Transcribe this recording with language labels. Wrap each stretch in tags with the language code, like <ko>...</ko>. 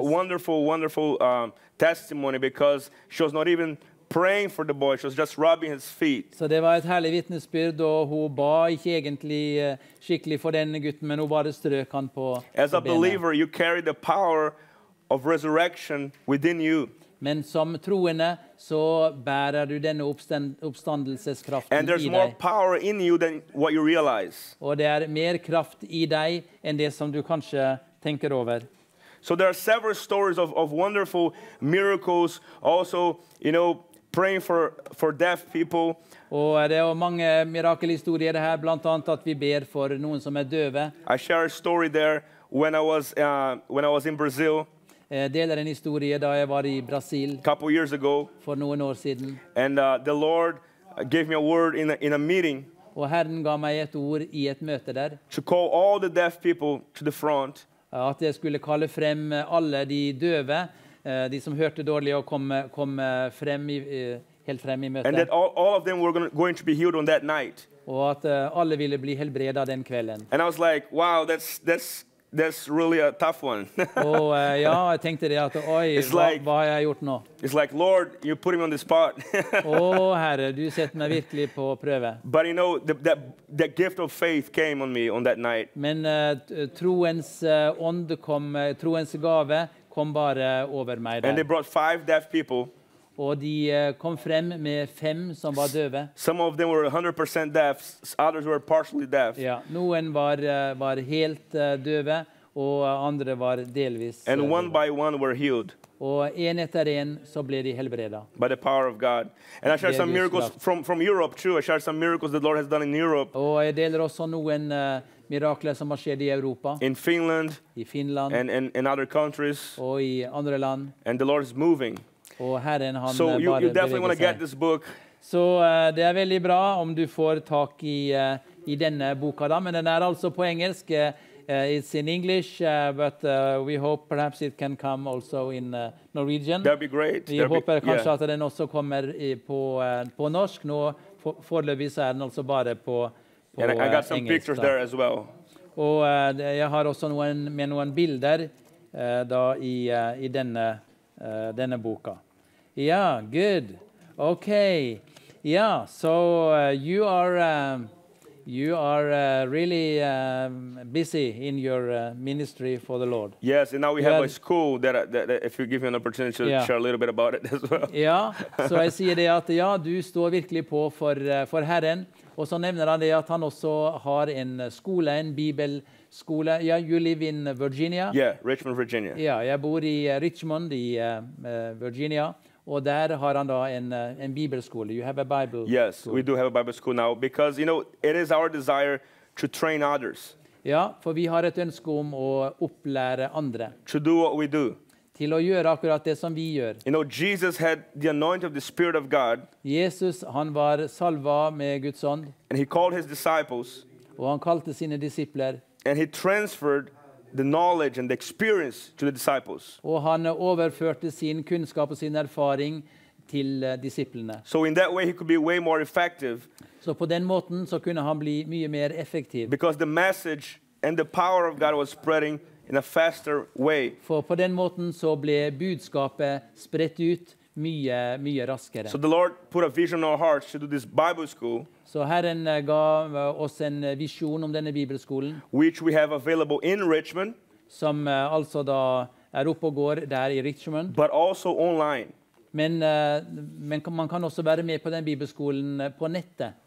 <en>A wonderful, wonderful testimony because she was not even praying for the boy, she was just rubbing his feet.</en> <no>Så det var et herlig vitnesbyrd, og hun ba ikke egentlig skikkelig for denne gutten, men hun bare strøk han på benet.</no> <en>As a believer, you carry the power of resurrection within you.</en> <no>Men som troende så bærer du denne oppstandelseskraften i deg.</no> <en>And there's more power in you than what you realize.</en> <no>Og det er mer kraft i deg enn det som du kanskje tenker over.</no> <en>So there are several stories of wonderful miracles, also, you know, praying for deaf people.</en> <no>Og det er mange mirakelhistorier her, blant annet at vi ber for noen som døve.</no> <en>I share a story there when I was in Brazil.</en> <no>Deler en historie da jeg var i Brasil.</no> <en>Couple years ago.</en> <no>For noen år siden.</no> <en>And the Lord gave me a word in a meeting.</en> <no>Og Herren ga meg et ord i et møte der.</no> <en>To call all the deaf people to the front.</en> <no>At jeg skulle kalle frem alle de døve, de som hørte dårlig og kom frem i, helt frem i møtet.</no> <en>And that all of them were going to be healed on that night.</en> <no>Og at alle ville bli helbredet den kvelden.</no> <en>And I was like, wow, that's really a tough one.</en> <no>Og ja, jeg tenkte det at, oi, hva har jeg gjort nå?</no> <en>It's like, Lord, you put me on the spot.</en> <no>Oh, Herre, du setter meg virkelig på prøve.</no> <en>But you know, that gift of faith came on me on that night.</en> <no>Men troens ånd kom, troens gave kom bare over meg der.</no> <en>And they brought 5 deaf people.</en> <no>Og de kom frem med 5 som var døve.</no> <en>Some of them were 100% deaf, others were partially deaf.</en> <no>Ja, noen var helt døve, og andre var delvis</no> <en>and</en> <no>døve.</no> <en>One by one were healed.</en> <no>Og en etter en så ble de helbredet.</no> <en>By the power of God. And I share some miracles from Europe too. I share some miracles that the Lord has done in Europe.</en> <no>Og jeg deler også noen mirakler som har skjedd i Europa.</no> <en>In Finland.</en> <no>I Finland.</no> <en>And in other countries.</en> <no>Og i andre land.</no> <en>And the Lord is moving.</en> <no>Herren,</no> <en>so you definitely want to get this book.</en> <no>Så det er veldig bra om du får tak i denne boka da, men den er altså på engelsk.</no> <en>It's in English, but we hope perhaps it can come also in Norwegian. That'd be great.</en> <no>Vi håper kanskje at den også kommer på norsk. Nå foreløpig så er den altså bare på engelsk.</no> <en>And I got some pictures there as well.</en> <no>Og jeg har også noen bilder da i denne denne boka.</no> <en>Yeah, good. Okay. Yeah, so you are really busy in your ministry for the Lord. Yes, and now we have a school that if you give me an opportunity to share a little bit about it as well. Yeah, so I see</en> <no>det at ja, du står virkelig på for Herren, og så nevner han det at han også har en skole, en bibel skole.</no> <en>Yeah, you live in Virginia. Yeah, Richmond, Virginia.</en> <no>Yeah, jeg bor i Richmond i Virginia, og der har han da en bibelskole.</no> <en>You have a Bible. Yes, school. We do have a Bible school now because you know it is our desire to train others.</en> <no>Ja, for vi har et ønske om å opplære andre.</no> <en>To do what we do.</en> <no>Til å gjøre akkurat det som vi gjør.</no> <en>You know, Jesus had the anointing of the Spirit of God.</en> <no>Jesus, han var salva med Guds ånd.</no> <en>And he called his disciples.</en> <no>Og han kalte sine disipler.</no> <en>And he transferred the knowledge and the experience to the disciples.</en> <no>Og han overførte sin kunnskap og sin erfaring til disiplene.</no> <en>So in that way he could be way more effective.</en> <no>Så på den måten så kunne han bli mye mer effektiv.</no> <en>Because the message and the power of God was spreading in a faster way.</en> <no>For på den måten så ble budskapet spredt ut mye, mye raskere.</no> <en>So the Lord put a vision in our hearts to do this Bible school.</en> <no>Så Herren ga oss en visjon om denne bibelskolen.</no> <en>Which we have available in Richmond.</en> <no>Som altså da oppe og går der i Richmond.</no> <en>But also online.</en> <no>Men man kan også være med på den bibelskolen på nettet.</no>